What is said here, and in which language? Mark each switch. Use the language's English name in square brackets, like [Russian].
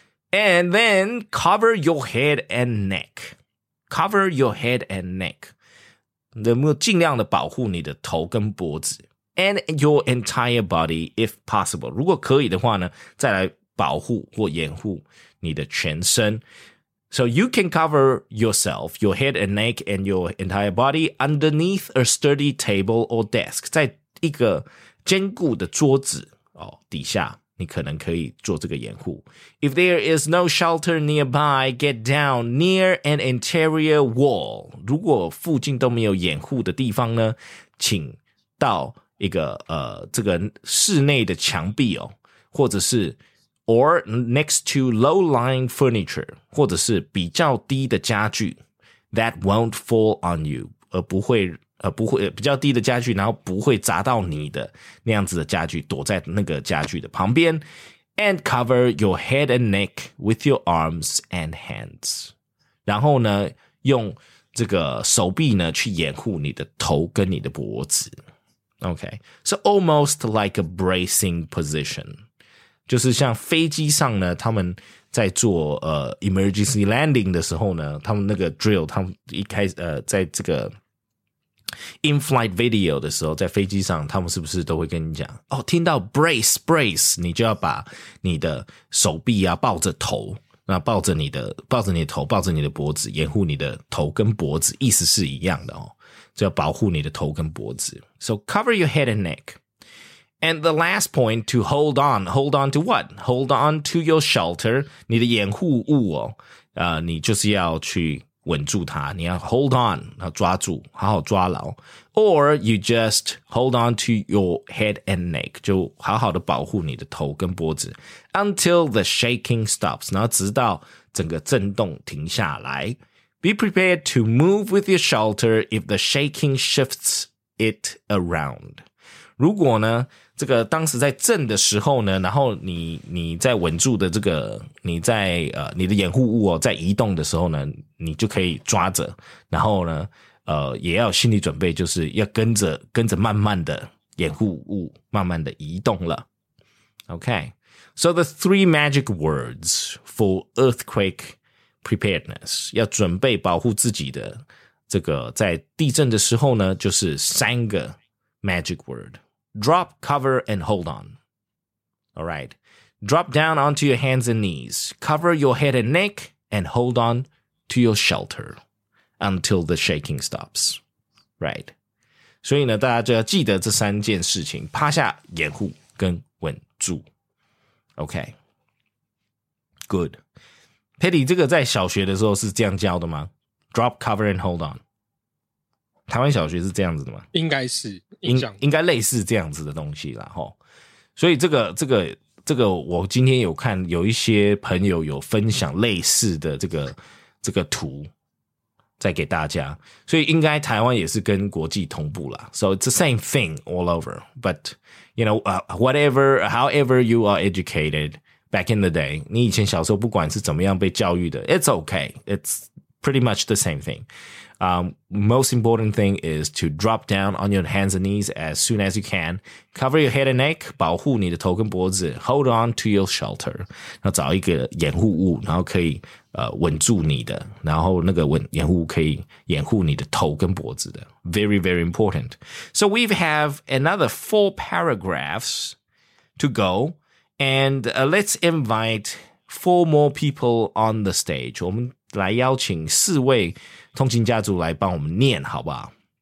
[English] And then cover your head and neck. Cover your head and neck. [Chinese] 能不能尽量的保护你的头跟脖子。 [English] And your entire body, if possible. [Chinese] 如果可以的话呢，再来保护或掩护你的全身。 [English] So you can cover yourself, your head and neck and your entire body underneath a sturdy table or desk. [Chinese] 在一个坚固的桌子、哦、底下你可能可以做这个掩护。 [English] If there is no shelter nearby, get down near an interior wall. [Chinese] 如果附近都没有掩护的地方呢，请到一个这个室内的墙壁哦，或者是 [English] Or next to low-lying furniture, [Chinese] 或者是比较低的家具 [English] that won't fall on you, [Chinese] 而不会比较低的家具，然后不会砸到你的那样子的家具，躲在那个家具的旁边 [English] and cover your head and neck with your arms and hands. [Chinese] 然后呢，用这个手臂呢去掩护你的头跟你的脖子。 [English] Okay, so almost like a bracing position. [Chinese] 就是像飞机上呢，他们在做emergency landing 的时候呢，他们那个 drill， 他们一开始在这个 in-flight video 的时候，在飞机上，他们是不是都会跟你讲哦，听到 brace， 你就要把你的手臂啊抱着头，那抱着你的头，抱着你的脖子，掩护你的头跟脖子，意思是一样的哦，就要保护你的头跟脖子。 [English] So cover your head and neck. And the last point to hold on to what? Hold on to your shelter, [Chinese] 你的掩护物哦，你就是要去稳住它，你要 hold on, 要抓住，好好抓牢。 [English] Or you just hold on to your head and neck, [Chinese] 就好好的保护你的头跟脖子。 [English] Until the shaking stops, [Chinese] 然后直到整个震动停下来。 [English] Be prepared to move with your shelter if the shaking shifts it around. [Chinese] 如果呢，这个当时在震的时候呢，然后你在稳住的这个，你在你的掩护物哦，在移动的时候呢，你就可以抓着，然后呢，也要有心理准备，就是要跟着慢慢的掩护物慢慢的移动了。 [English] Okay, so the three magic words for earthquake preparedness [Chinese] 要准备保护自己的这个在地震的时候呢，就是三个。 [English] Magic word. Drop, cover, and hold on. All right. Drop down onto your hands and knees. Cover your head and neck and hold on to your shelter until the shaking stops. Right. [Chinese] 所以呢，大家就要记得这三件事情，趴下、掩护跟稳住。 [English] Okay. Good. [Chinese] Patty, 这个在小学的时候是这样教的吗？ [English] Drop, cover, and hold on. [Chinese] 台湾小学是这样子的吗？应该是，应该类似这样子的东西啦，齁。所以这个我今天有看有一些朋友有分享类似的这个图再给大家。所以应该台湾也是跟国际同步啦。 [English] So it's the same thing all over. But, you know, however you are educated back in the day, [Chinese] 你以前小时候不管是怎么样被教育的 [English] ,it's okay. It's pretty much the same thing. Most important thing is to drop down on your hands and knees as soon as you can. Cover your head and neck, [Chinese] 保护你的头跟脖子。 [English] Hold on to your shelter. [Chinese] 然后找一个掩护物，然后可以稳住你的，然后那个掩护物可以掩护你的头跟脖子的。 [English] Very, very important. So we have another four paragraphs to go, and let's invite four more people on the stage. [Chinese] 我们来邀请四位通勤家族来帮我们念好不好？